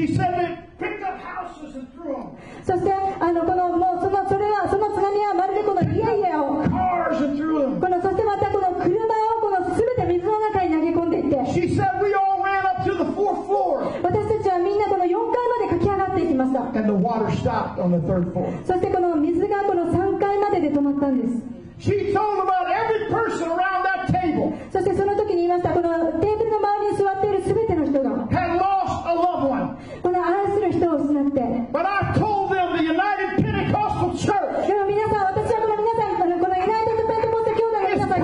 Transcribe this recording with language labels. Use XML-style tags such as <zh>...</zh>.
<en>She said they picked up houses and threw them.</en> <ja>そしてこのもうそのそれはその津波はまるでこの家々を。</ja> <en>Cars and threw them.</en> <ja>このそしてまたこの車をこのすべて水の中に投げ込んでいって。</ja> <en>She said we all ran up to the fourth floor.</en> <ja>私たちはみんなこの4階まで駆け上がっていきました。</ja> <en>And the water stopped on the third floor.</en> <ja>そしてこの水がこの3階までで止まったんです。</ja> <en>She told about every person around that table.</en> <ja>そしてその時に言いました。このテーブルの周りに座っているすべての人が。</ja> <en>Had lost a loved one.</en> <ja>この愛する人を失って。</ja> <en>But I told them the United Pentecostal Church.</en> <ja>でも皆さん、私はこの皆さん、このユナイテッドペンテコステ教会の皆さん</ja>